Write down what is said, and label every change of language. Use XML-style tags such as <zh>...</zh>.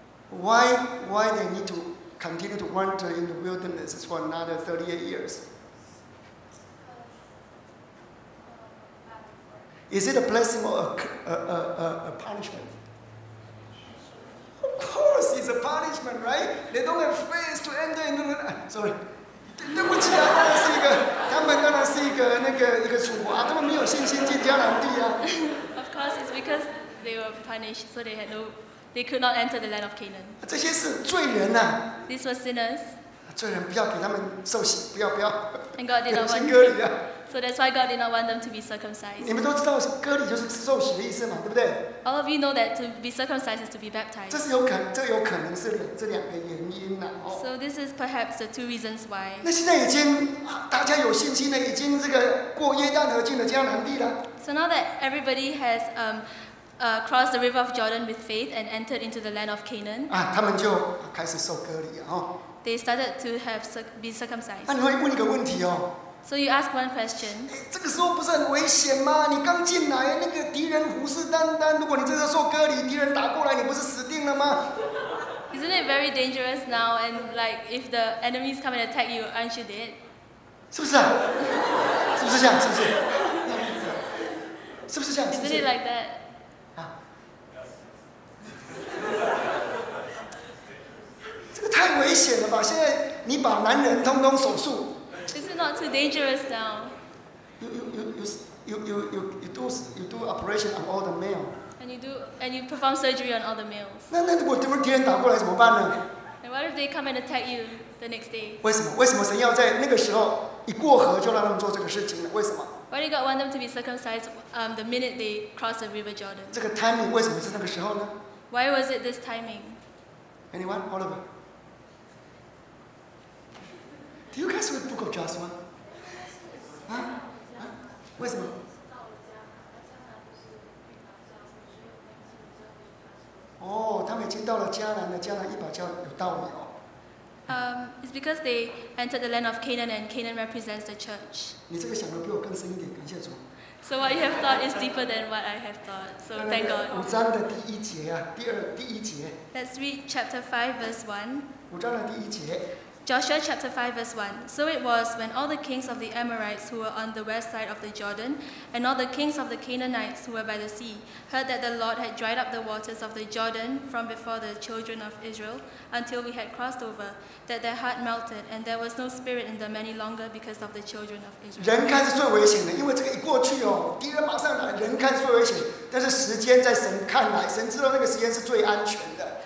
<en>Why they need to continue to wander in the wilderness for another 38 years？ Is it a blessing or a punishment? Of course, it's a punishment, right? They don't have faith to enter into the. Sorry,</en> <zh>对不起啊，当然是一个，他们当然是一个那个一个处罚，他们没有信心进迦南地啊。</zh> <en>Of course, it's because they were punished, so they had no, they could not enter the land of Canaan.</en> <zh>这些是罪人呐。</zh> <en>These were sinners.</en> <zh>罪人不要给他们受洗，不要。</zh> <en>And God did not want them. So that's why God did not want them to be circumcised.</en> <zh>你们都知道割礼就是受洗的意思嘛，对不对？</zh> <en>All of you know that to be circumcised is to be baptized.</en> <zh>这有可能是这两个原因呐、啊。</zh> <en>So this is perhaps the two reasons why.</en> <zh>那现在已经大家有信心了，已经这个过约旦河进了迦南地了。</zh> <en>So now that everybody has crossed the river of Jordan with faith and entered into the land of Canaan.</en> <zh>啊，他们就开始受割礼啊、哦。</zh> <en>They started to have be circumcised.</en> <zh>那、啊、你会问一个问题哦。</zh> <en>So you ask one question.</en> <zh>这个时候不是很危险吗？你刚进来，那个敌人虎视眈眈。如果你这时候受割礼，敌人打过来，你不是死定了吗？</zh> <en>Isn't it very dangerous now? And like, if the enemies come and attack you, aren't you dead?</en> <zh>是不是啊？是不是这样？是不是？是不是这样？ Isn't it like that? 啊！这个太危险了吧！现在你把男人通通手术。</zh> <en>Not too dangerous now. You do operation on all the male. And you perform surgery on all the males.</en> <zh>那如果敌人打过来怎么办呢？</zh> <en>And what if they come and attack you the next day?</en> <zh>为什么神要在那个时候一过河就让他们做这个事情呢？为什么？</zh> <en>Why did God want them to be circumcised the minute they cross the river Jordan?</en> <zh>这个 timing 为什么是那个时候呢？</zh> <en>Why was it this timing? Anyone? Oliver? Do you guys read Book of Joshua?</en> <zh>啊？啊？为什么？哦，他们已经到了迦南了。迦南一把叫有道理哦。</zh> <en>It's because they entered the land of Canaan, and Canaan represents the church.</en> <zh>你这个想的比我更深一点，感谢主。</zh> <en>So what you have thought is deeper than what I have thought. So thank God.</en> <zh>五章的第一节啊，第一节。</zh> <en>Let's read chapter 5 verse 1.</en> <zh>五章的第一节。</zh> <en>Joshua chapter 5 verse 1. So it was when all the kings of the Amorites who were on the west side of the Jordan and all the kings of the Canaanites who were by the sea heard that the Lord had dried up the waters of the Jordan from before the children of Israel until we had crossed over, that their heart melted and there was no spirit in them any longer because of the children of Israel.</en> <zh>人看是最危险的，因为这个一过去哦，敌人马上来，人看是最危险，但是时间在神看来，神知道那个时间是最安全的。</zh>